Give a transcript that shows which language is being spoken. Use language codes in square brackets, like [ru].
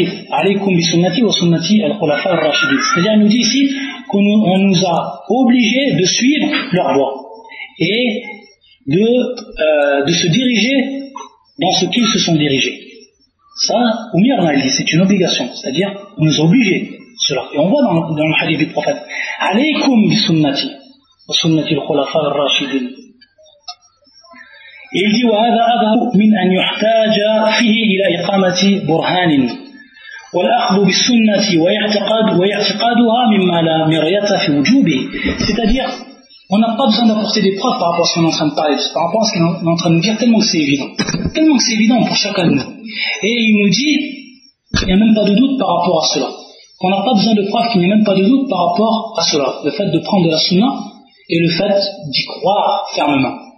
[ar] عليكم بسنتي وسنتي الخلفاء الراشدين. [fr] C'est-à-dire, il nous dit ici qu'on nous a obligés de suivre leur voie et de se diriger dans ce qu'ils se sont dirigés. Ça, Umir l'a dit, c'est une obligation. C'est-à-dire, on nous a obligés de cela. Et on voit dans le hadith du prophète. [ar] عليكم بسنتي وسنتي الخلفاء الراشدين. [fr] Et il dit [ar] وهذا أظهر من أن يحتاج فيه إلى إقامة برهان والأخذ بالسنة ويعتقادها مما لا مرية في وجوبه. [fr] C'est-à-dire, on n'a pas besoin d'apporter des preuves par rapport à ce qu'on est en train de parler, par rapport à ce qu'on est en train de dire, tellement que c'est évident. Tellement que c'est évident pour chacun de nous. Et il nous dit, il n'y a même pas de doute par rapport à cela. On n'a pas besoin de preuves, qu'il n'y a même pas de doute par rapport à cela. Le fait de prendre de la sunna et le fait d'y croire fermement.